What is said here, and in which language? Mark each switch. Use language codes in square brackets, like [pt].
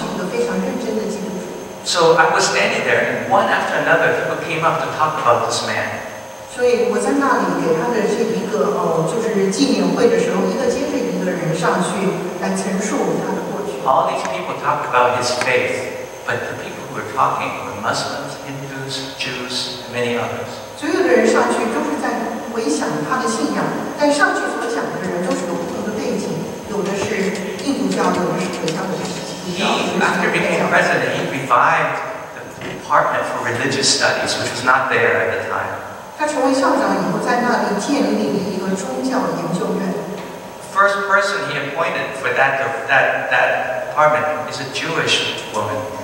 [zh] 有一次我去那边讲学的时候，刚好那一天他们上一任的校长死了，而那个校长是一个非常认真的基督徒。So [en] I was standing there, and one after another, people came up to talk about this man. [zh] 所以我在那里给他的这一个就是纪念会的时候，一个接着一个人上去来陈述他的过去。All [en] these people talked about his faith, but the people who were talking were Muslims, Hindus, Jews, and many others. [zh] 所有的人上去都是在回想他的信仰，但上去所讲的人都是有不同的背景，有的是印度教，有的是回教的。He [en] after became president, he revived the Department for Religious Studies, which was not there at the time. [zh] 他成为校长以后，在那里建立了一个宗教研究院。First [en] person he appointed for that department is a Jewish woman.